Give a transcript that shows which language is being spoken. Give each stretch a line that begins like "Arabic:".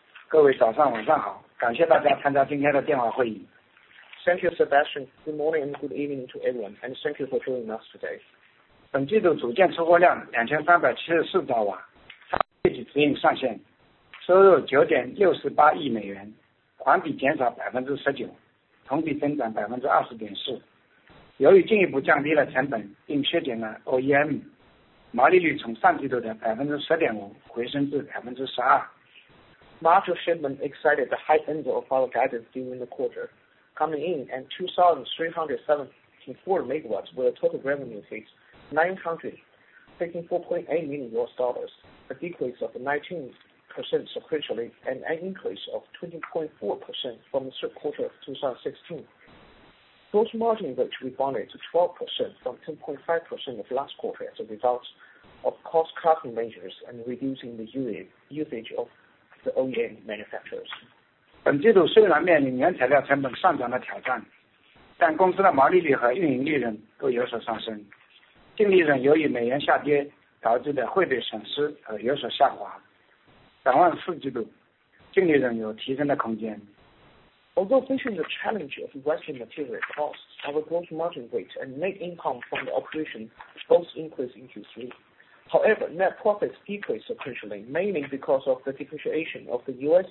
Chinese: 各位早上好，感谢大家参加今天的电话会议。
English: Thank you, Sebastian. Good morning and good evening to everyone, and thank you for joining us today.
Chinese: 本季度组件出货量2374兆瓦，上月季指引上 线，收入$9.68亿，环比减少19%，同比增长20.4%。由于进一步降低了成 本，并削减了 OEM，毛利率从上季度的10.5%回升至12%。
English: Module shipment exceeded the high end of our guidance during the quarter, coming in at 2,374 MW with a total revenue of $954.8 million, a decrease of 19% sequentially and an increase of 20.4% from the third quarter of 2016. Gross margin, which rebounded to 12% from 10.5% of last quarter as a result of cost-cutting measures and reducing the usage of the OEM manufacturers.
Chinese: 本季度虽然面临原材料成本上涨的挑 战， 但公司的毛利率和运营利润都有所上升。净利润由于美元下跌导致的汇兑损失而有所下滑。展望四季 度， 净利润有提升的空间。
English: Although facing the challenge of rising material costs, our gross margin rate and net income from the operation both increased in Q3. However, net profits decreased sequentially, mainly because of the depreciation of the U.S.